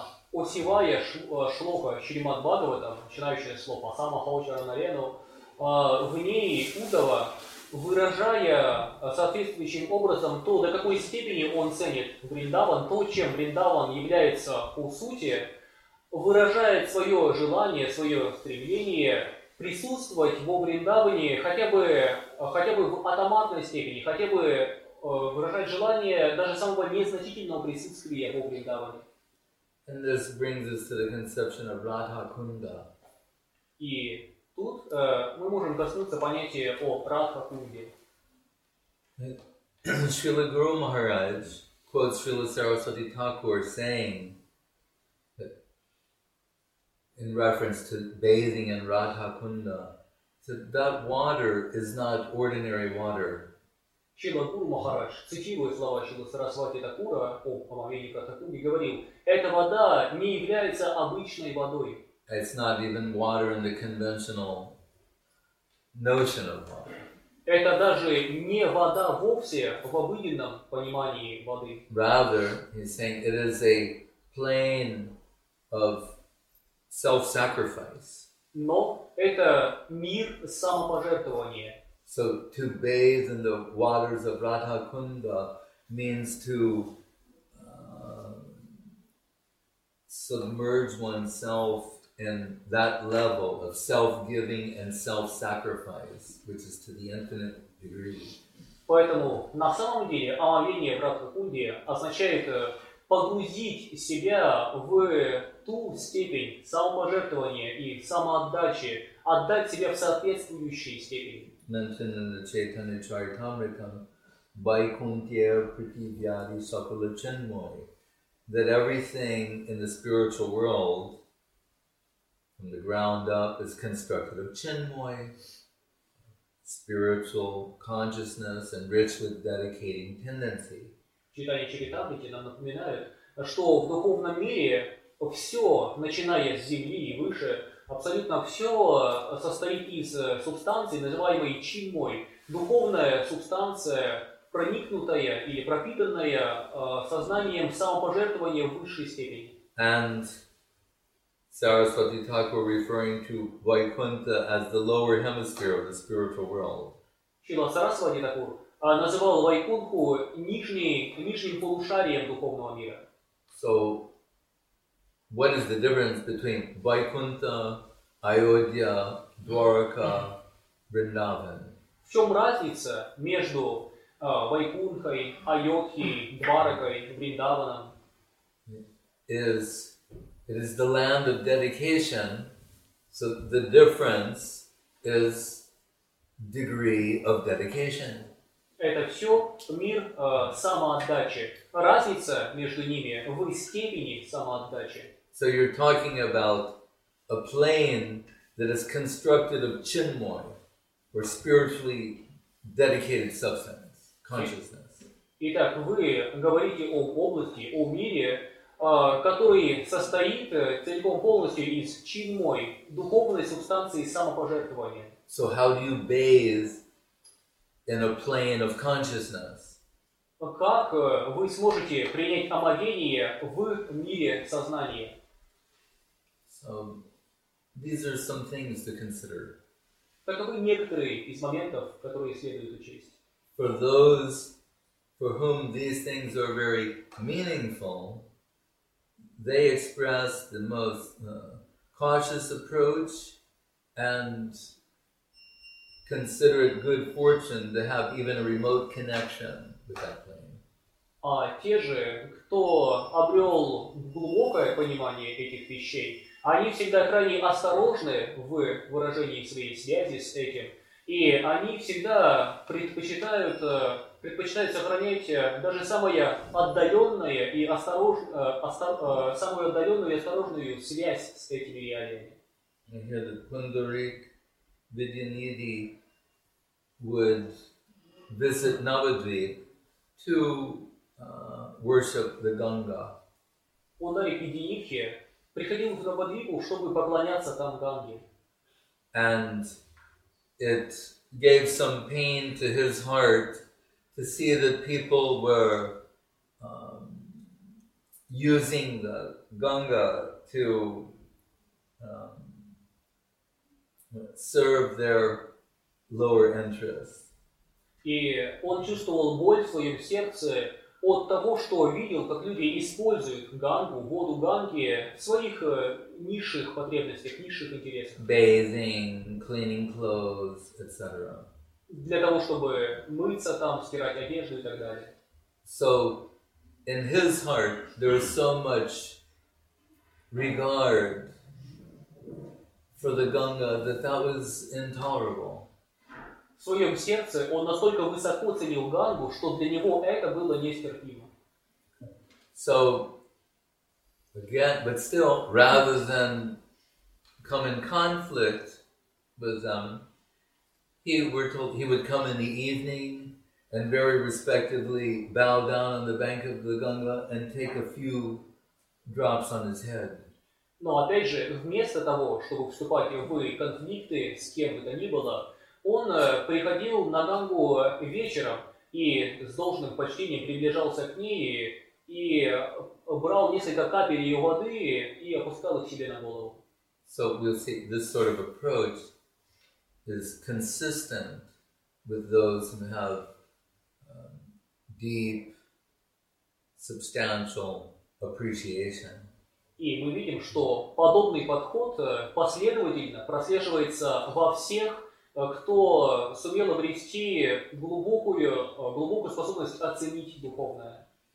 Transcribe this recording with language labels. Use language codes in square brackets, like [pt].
[ru] Осевая шлока Шримад Бхагаватам, начинающее слово Асамахаучаранарену, в ней Удава, выражая соответствующим образом то, до какой степени он ценит Вриндаван, то, чем Вриндаван является по сути, выражает свое желание, свое стремление присутствовать во Вриндаване хотя бы в атоматной степени, хотя бы выражать желание даже самого незначительного присутствия во Вриндаване. [en] And this brings us to the conception of Radha Kunda. [ru] И тут мы можем коснуться понятия о Радха Кунде. [en] Srila Guru Maharaj quotes Srila Saraswati Thakur saying that in reference to bathing in Radha Kunda, that water is not ordinary water. [ru] Шрила Гуру Махарадж, цитируя слова Шрила Сарасвати Такура о омовении Пратхакунды, говорил, эта вода не является обычной водой. [en] It's not even water in the conventional notion of water. [ru] Это даже не вода вовсе в обыденном понимании воды. [en] Rather, he's saying, it is a plane of self-sacrifice. [ru] Но это мир самопожертвования. [en] So to bathe in the waters of Radha Kunda means to submerge oneself in that level of self-giving and self-sacrifice, which is to the infinite degree. [ru] Поэтому на самом деле омовение в Радха Кунде означает погрузить себя в ту степень самопожертвования и самоотдачи, отдать себя в соответствующей степени. [en] Mentioned in the Chaitanya Charitamrita, [bn] Vaikunthya Prithivyadi Sakala Chinmoy, [en] that everything in the spiritual world, from the ground up, is constructed of Chinmoy, spiritual consciousness, and rich with dedicating tendency. [ru] Chaitanya Charitamrita нам напоминает, что в духовном мире все, начиная с земли и выше, абсолютно все состоит из субстанции, называемой чинмой, духовная субстанция, проникнутая или пропитанная сознанием самопожертвования в высшей степени. [en] And Saraswati Thakur referring to Vaikuntha as the lower hemisphere of the spiritual world. [ru] Шрила Сарасвати Такур называл Вайкунху нижним полушарием духовного мира. [en] So, what is the difference between Vaikuntha, Ayodhya, Dwaraka, Vrindavan? [ru] В чем разница между Вайкунхой, Айодхи, Дваракой, Вриндаваном? [en] It is the land of dedication, so the difference is degree of dedication. [ru] Это все мир самоотдачи. Разница между ними в степени самоотдачи. [en] So you're talking about a plane that is constructed of chinmoy, or spiritually dedicated substance, consciousness. [ru] Итак, вы говорите о области, о мире, который состоит целиком полностью из чинмой, духовной субстанции самопожертвования. [en] So how do you bathe in a plane of consciousness? [ru] Как вы сможете принять омовение в мире сознания? [en] So, these are some things to consider. [ru] Таковы некоторые из моментов, которые следует учесть. [en] For those for whom these things are very meaningful, they express the most cautious approach and consider it good fortune to have even a remote connection with that plane. [ru] А те же, кто обрел глубокое понимание этих вещей, они всегда крайне осторожны в выражении своей связи с этим, и они всегда предпочитают сохранять даже самое отдаленное и самую отдаленную и осторожную связь с этими реалиями. [en] I hear that Pundarik Vidyanidhi would visit Navadvip to worship the Ganga. [ru] Пундарик Видьянидхи приходил в Навадвипу, чтобы поклоняться там Ганге. [en] And it gave some pain to his heart to see that people were using the Ganga to serve their lower interests. [ru] И он чувствовал боль в своем сердце от того, что видел, как люди используют Гангу, воду Ганги в своих низших потребностях, низших интересах. [en] Bathing, cleaning clothes, etc. [ru] Для того, чтобы мыться там, стирать одежду и так далее. [en] So, in his heart, there is so much regard for the Ganga that was intolerable. [ru] В своем сердце он настолько высоко ценил Гангу, что для него это было нестерпимо. [en] So, again, but still, rather than come in conflict with them, he would come in the evening and very respectfully bow down on the bank of the Ganga and take a few drops on his head. [ru] Но опять же, вместо того, чтобы вступать в конфликты с кем бы то ни было, он приходил на Гангу вечером и с должным почтением приближался к ней и брал несколько капель ее воды и опускал их себе на голову. [en] So we'll see this sort of approach is consistent with those who have deep, substantial appreciation. [ru] И мы видим, что подобный подход последовательно прослеживается во всех, кто сумел обрести глубокую способность оценить духовное.